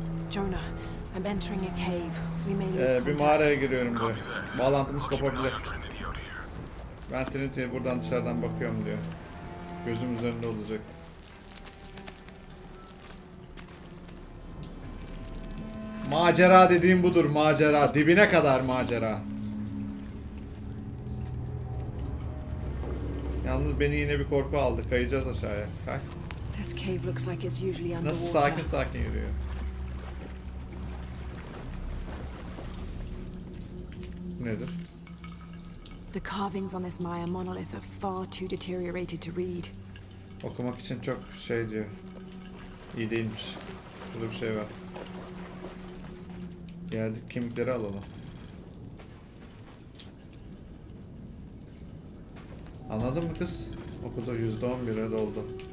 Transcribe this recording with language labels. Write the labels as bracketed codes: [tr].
[en] Jonah, I'm entering a cave. We may lose contact. [tr] Bir mağaraya giriyorum diyor. Bağlantımız kopabilir. Ben Trinity'ye buradan dışarıdan bakıyorum diyor. Gözüm üzerinde olacak. Macera dediğim budur, macera. Dibine kadar macera. Yalnız beni yine bir korku aldı. Kayacağız aşağıya. Kalk. [en] This cave looks like it's usually underwater. [tr] Nasıl sakin sakin yürüyor. Nedir? [en] The carvings on this Maya monolith are far too deteriorated to read. [tr] Okumak için çok şey diyor. İyi değilmiş. Şurada bir şey var. Yani kemikleri alalım. Anladın mı kız? Okudu, %11'e doldu.